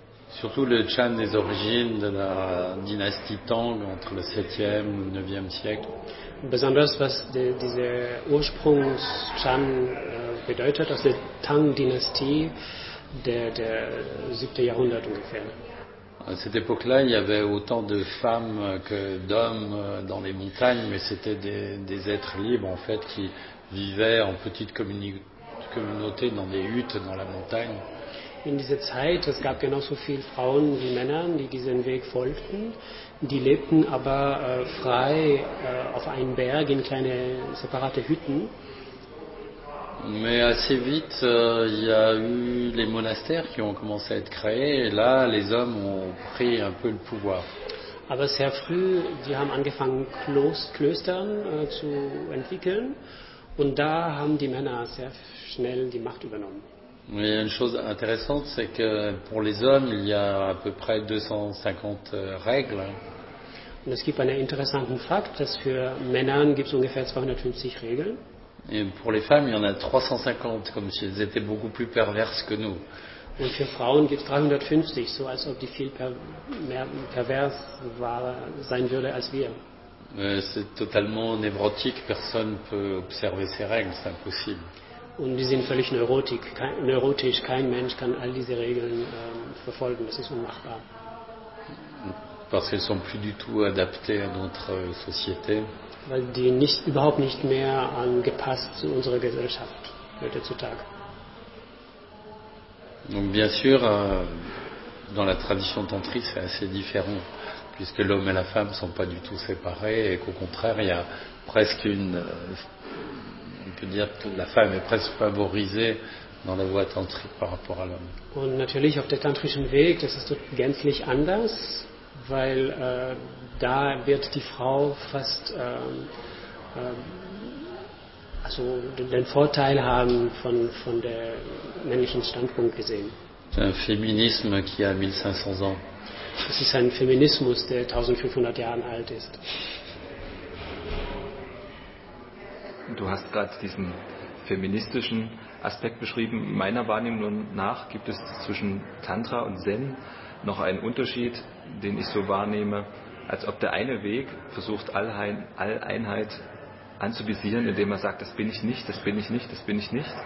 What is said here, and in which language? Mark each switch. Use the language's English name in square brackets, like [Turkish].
[French] Surtout le Chan des origines de la dynastie Tang entre le 7e et le 9e siècle. [German] Besonders was diese Ursprungs-Chan bedeutet, aus der Tang-Dynastie, der 7. Jahrhundert ungefähr. [French] À cette époque-là, il y avait autant de femmes que d'hommes dans les montagnes, mais c'était des êtres libres en fait qui vivaient en petites communautés dans des huttes dans la montagne. [German] In dieser Zeit, es gab genauso viel Frauen wie Männer, die diesen Weg folgten. Die lebten aber frei auf einem Berg in kleine separate Hütten. [French] Mais assez vite, il y a eu les monastères qui ont commencé à être créés. Et là, les hommes ont pris un peu le pouvoir. [German] Aber sehr früh, die haben angefangen, Klöstern zu entwickeln. Und da haben die Männer sehr schnell die Macht übernommen. [French] Mais une chose intéressante, c'est que pour les hommes, il y a à peu près 250 règles. [German] Und es gibt einen interessanten Fakt, dass für Männer gibt es ungefähr 250 Regeln. [French] Et pour les femmes, il y en a 350, comme si elles étaient beaucoup plus perverses que nous. [German] Und für Frauen gibt es 350, so als ob die viel mehr pervers sein würde als wir. [French] Mais c'est totalement névrotique, personne ne peut observer ces règles, c'est impossible. [German] Und die sind völlig neurotisch. Kein Mensch kann all diese Regeln verfolgen. Das ist unmachbar. [French] Parce qu'elles sont plus du tout adaptées à notre société. [German] Weil die nicht, überhaupt nicht mehr angepasst zu unserer Gesellschaft heutzutage. [French] Donc bien sûr, dans la tradition tantrique, c'est assez différent, puisque l'homme et la femme ne sont pas du tout séparés et qu'au contraire, il y a presque une on peut dire que la femme est presque favorisée dans la voie tantrique par rapport à l'homme. [German] Und natürlich auf der tantrischen Weg, das ist gänzlich anders, weil da wird die Frau fast den Vorteil haben von der männlichen Standpunkt gesehen. [French] C'est un féminisme qui a 1500 ans. [German] Das ist ein Feminismus, der 1500 Jahre alt ist. Du hast gerade diesen feministischen Aspekt beschrieben. Meiner Wahrnehmung nach gibt es zwischen Tantra und Zen noch einen Unterschied, den ich so wahrnehme, als ob der eine Weg versucht, Alleinheit anzuvisieren, indem er sagt, das bin ich nicht, das bin ich nicht, das bin ich nicht.